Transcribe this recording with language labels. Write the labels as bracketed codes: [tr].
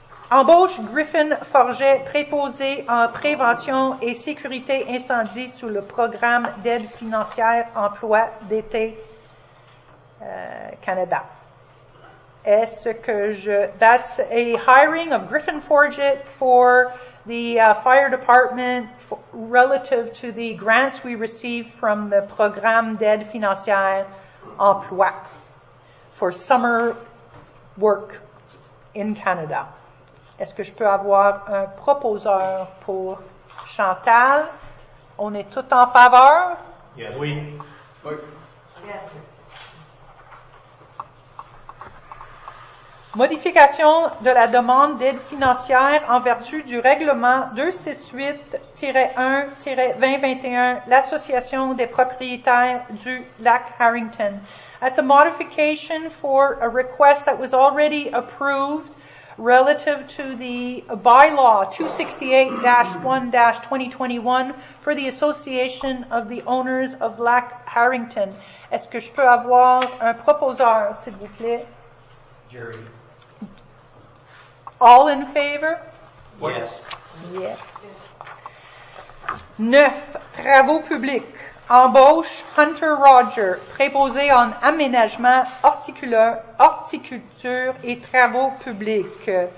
[fr] Embauche Griffin Forget, préposé en prévention et sécurité incendie sous le programme d'aide financière emploi d'été Canada. Est-ce que je... [en] That's a hiring of Griffin Forget for the fire department relative to the grants we received from the Programme d'aide financière emploi for summer work in Canada. [fr] Est-ce que je peux avoir un proposeur pour Chantal? On est tout en faveur? [en] Yes. [fr] Oui. [en] Yes. [fr] Modification de la demande d'aide financière en vertu du règlement 268-1-2021, l'Association des propriétaires du Lac Harrington. [en] That's a modification for a request that was already approved relative to the bylaw 268-1-2021 for the Association of the Owners of Lac Harrington. [fr] Est-ce que je peux avoir un proposeur, s'il vous plaît? Jerry. [en] All in favor? Yes. Yes. [fr] Neuf, travaux publics. Embauche Hunter Roger, préposé en aménagement, horticulture et travaux publics.